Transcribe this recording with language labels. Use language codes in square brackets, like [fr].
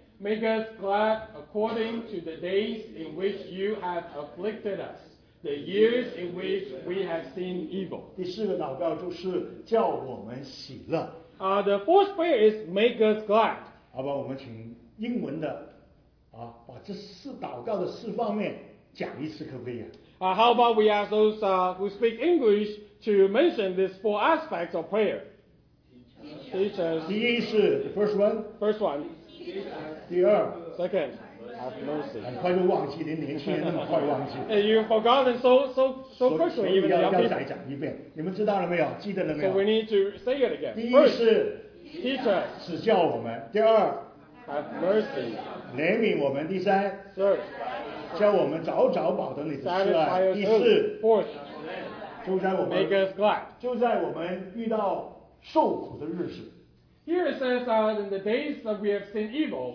[en] Make us glad according to the days in which you have afflicted us, the years in which we have seen evil. [zh] 第四个祷告就是叫我们喜乐。 [en] The fourth prayer is make us glad. [zh] 好吧，我们请英文的把这四祷告的四方面讲一次，可不可以？ [en] How about we ask those who speak English to mention these four aspects of prayer? Teach us. [zh] 第一是 [en] the first one. First one. [zh] 第二 [en] Second. Have mercy. [zh] 很快就忘记，连年轻人那么快忘记。 [en] You forgotten so quickly. [zh] 所以要再讲一遍，你们知道了没有？记得了没有 [en] ？So we need to say it again. [zh] 第一是 [en] Teach us. [zh] 指教我们。第二 [en] Have mercy. [zh] 怜悯我们。第三 [en] Serve. [zh] 叫我们早早保得你的慈爱。第四 [en] Fourth, [zh] 就在我们 [en] make us glad. [zh] 就在我们遇到受苦的日子 [en] Here it says in the days that we have seen evil